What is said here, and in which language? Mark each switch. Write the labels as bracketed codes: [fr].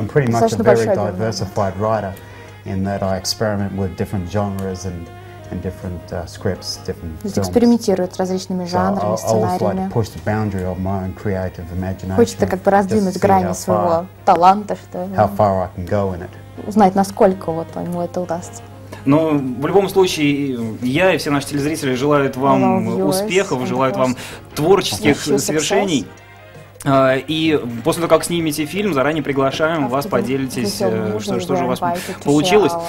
[ru] достаточно большой [en] diversified writer in that I experiment with different genres and different scripts, different films. [ru] Экспериментирует с различными жанрами, сценариями. [en] I push the boundary of my own creative imagination. [ru] Хочется как бы раздвинуть грани своего таланта, что ли. [en] How far I can go in it. [ru] Узнать, насколько вот ему это удастся. Но в любом случае, я и все наши телезрители желают вам успехов, желают вам творческих свершений. И после того, как снимете фильм, заранее приглашаем вас, поделитесь, что же у вас получилось.